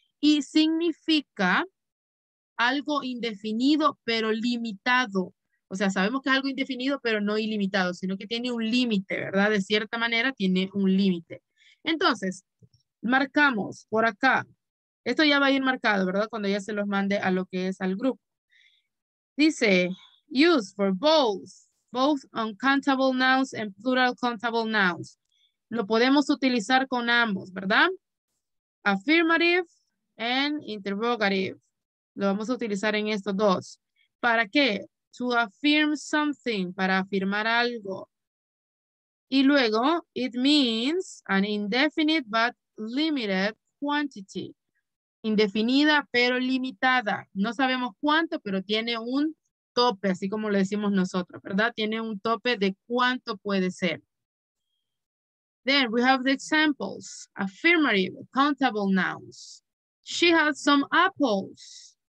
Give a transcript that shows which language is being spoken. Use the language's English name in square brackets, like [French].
[Spanish] Y significa algo indefinido, pero limitado. O sea, sabemos que es algo indefinido, pero no ilimitado, sino que tiene un límite, ¿verdad? De cierta manera, tiene un límite. Entonces, marcamos por acá. Esto ya va a ir marcado, ¿verdad? Cuando ya se los mande a lo que es al grupo. [English] Dice, use for both uncountable nouns and plural countable nouns. [Spanish] Lo podemos utilizar con ambos, ¿verdad? [English] Affirmative and interrogative. [Spanish] Lo vamos a utilizar en estos dos. ¿Para qué? [English] To affirm something, [Spanish] para afirmar algo. [English] Y luego, it means an indefinite but limited quantity. [Spanish] Indefinida pero limitada. No sabemos cuánto, pero tiene un tope, así como lo decimos nosotros, ¿verdad? Tiene un tope de cuánto puede ser. [English] Then we have the examples. Affirmative, countable nouns. She has some apples.